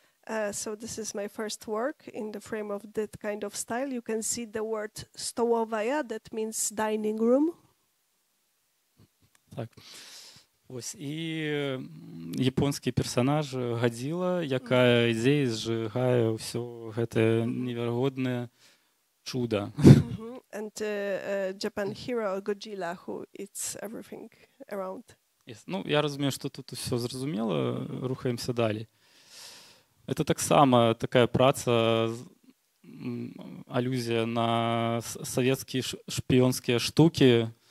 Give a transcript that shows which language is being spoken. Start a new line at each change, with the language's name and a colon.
English: So this is my first work in the frame of that kind of style. You can see the word stołowaja, that means dining room.
Ukrainian: Так. Ось і японський персонаж Годзіла, яка йде і зжигає все це невірогодне чудо.
English: And Japan hero Godzilla, who eats everything around. Yes.
Ukrainian: Ну, я розумію, що тут все зрозуміло, рухаємося далі. Це так само така праця, алюзія на совєтські шпіонські штуки.